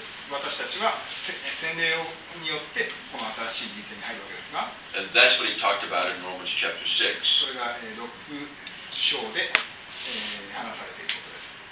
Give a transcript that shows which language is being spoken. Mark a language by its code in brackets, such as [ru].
[ja] 私たちは洗礼によってこの新しい人生に入るわけですが [en] And that's what he talked about in Romans chapter 6. [ja] それが6章で話されていることです。